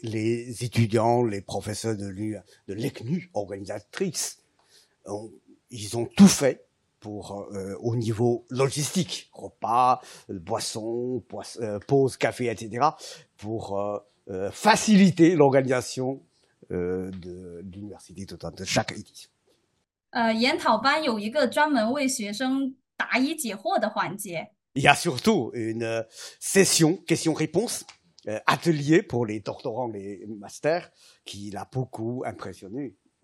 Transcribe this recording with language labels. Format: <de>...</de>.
<fr>les étudiants, les professeurs de l'ECNU, organisatrices, ils ont tout fait pour au niveau logistique, repas, boissons, pause café, etc. pour faciliter l'organisation de l'université de chaque édition.</fr> <zh>研讨班有一个专门为学生答疑解惑的环节.</zh> <fr>Il y a surtout une session questions-réponses, atelier pour les doctorants, les masters, qui l'a beaucoup impressionné.</fr>